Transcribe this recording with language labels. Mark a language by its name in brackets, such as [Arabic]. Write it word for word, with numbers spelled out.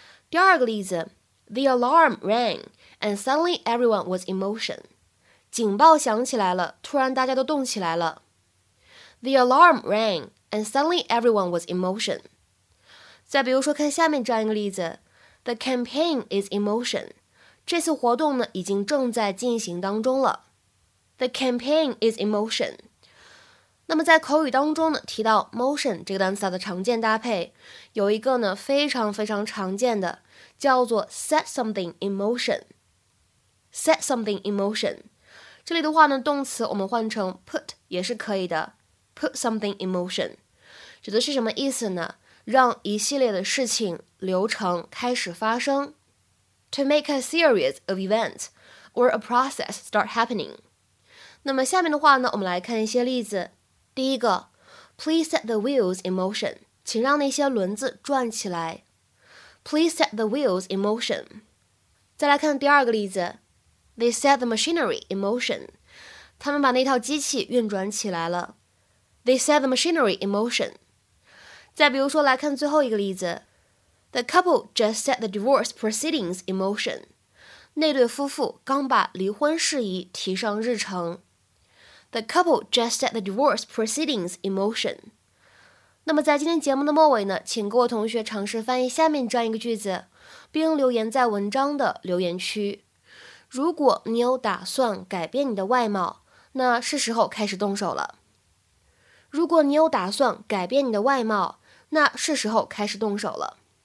[Chinese] 第二个例子 [English] ，the alarm rang and suddenly everyone was in motion。 [Chinese] 警报响起来了，突然大家都动起来了。 [English] The alarm rang and suddenly everyone was in motion。 [Chinese] 再比如说，看下面这样一个例子 ， [English] the campaign is in motion。 [Chinese] 这次活动呢已经正在进行当中了。 [English] The campaign is in motion. [Chinese] 那么在口语当中呢，提到 motion 这个单词的常见搭配，有一个呢非常非常常见的，叫做 [English] set something in motion. Set something in motion. [Chinese] 这里的话呢，动词我们换成 put 也是可以的。 Put something in motion 指的是什么意思呢？让一系列的事情流程开始发生。 [English] To make a series of events or a process start happening. [Chinese] 那么下面的话呢，我们来看一些例子。第一个 ， [English] Please set the wheels in motion. [Chinese] 请让那些轮子转起来。 [English] Please set the wheels in motion. [Chinese] 再来看第二个例子 [English] ，They set the machinery in motion. [Chinese] 他们把那套机器运转起来了。 [English] They set the machinery in motion. [Chinese] 再比如说，来看最后一个例子。 [English] The couple just set the divorce proceedings in motion. [Chinese] 那对夫妇刚把离婚事宜提上日程。 [English] The couple just set the divorce proceedings in motion. [Chinese] 那么在今天节目的末尾呢，请各位同学尝试翻译下面这样一个句子，并留言在文章的留言区。如果你有打算改变你的外貌，那是时候开始动手了。如果你有打算改变你的外貌，那是时候开始动手了。